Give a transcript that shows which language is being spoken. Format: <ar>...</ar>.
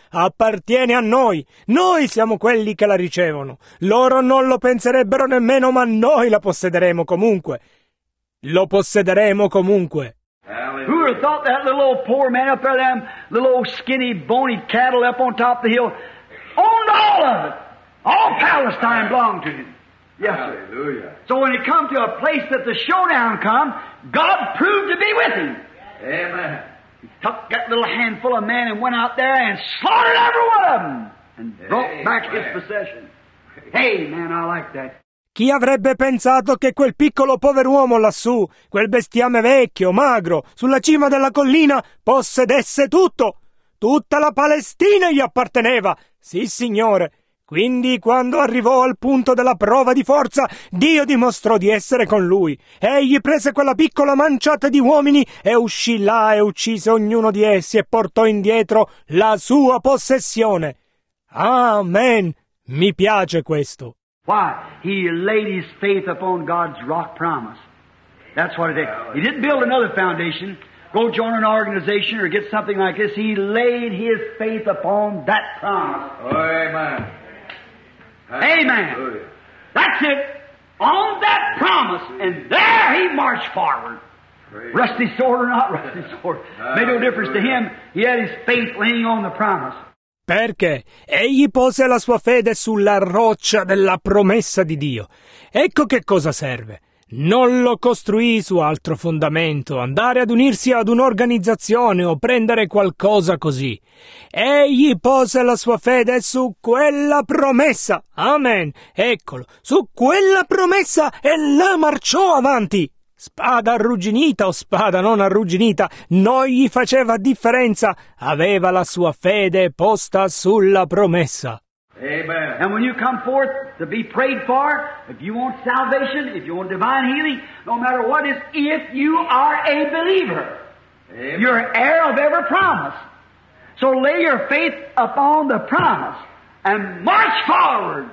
<it>Appartiene a noi. Noi siamo quelli che la ricevono. Loro non lo penserebbero nemmeno, ma noi la possederemo comunque. Lo possederemo comunque.</it> <en>Hallelujah. Who would have thought that little old poor man up there, them little old skinny bony cattle up on top of the hill, owned all of it? All Palestine belonged to him. Yes, sir. Hallelujah. So when he come to a place that the showdown come, God proved to be with him. Amen. He took that little handful of men and went out there and slaughtered every one of them and brought back his possession. Hey, man, I like that.</en> <it>Chi avrebbe pensato che quel piccolo pover'uomo lassù, quel bestiame vecchio, magro, sulla cima della collina, possedesse tutto? Tutta la Palestina gli apparteneva! Sì, signore! Quindi, quando arrivò al punto della prova di forza, Dio dimostrò di essere con lui. Egli prese quella piccola manciata di uomini e uscì là e uccise ognuno di essi e portò indietro la sua possessione. Amen! Mi piace questo.</it> <en>Why? He laid his faith upon God's rock promise. That's what it is. He didn't build another foundation, go join an organization or get something like this. He laid his faith upon that promise. Oh, amen. Amen. That's it. On that promise. And there he marched forward. Rusty sword or not rusty sword. Made no difference to him. He had his faith laying on the promise.</en> <it>Perché egli pose la sua fede sulla roccia della promessa di Dio. Ecco che cosa serve. Non lo costruì su altro fondamento, andare ad unirsi ad un'organizzazione o prendere qualcosa così. Egli pose la sua fede su quella promessa. Amen. Eccolo. Su quella promessa e la marciò avanti. Spada arrugginita o spada non arrugginita, non gli faceva differenza. Aveva la sua fede posta sulla promessa. Amen.</it> <en>And when you come forth to be prayed for, if you want salvation, if you want divine healing, no matter what it is, if you are a believer, amen, you're heir of every promise. So lay your faith upon the promise and march forward.</en>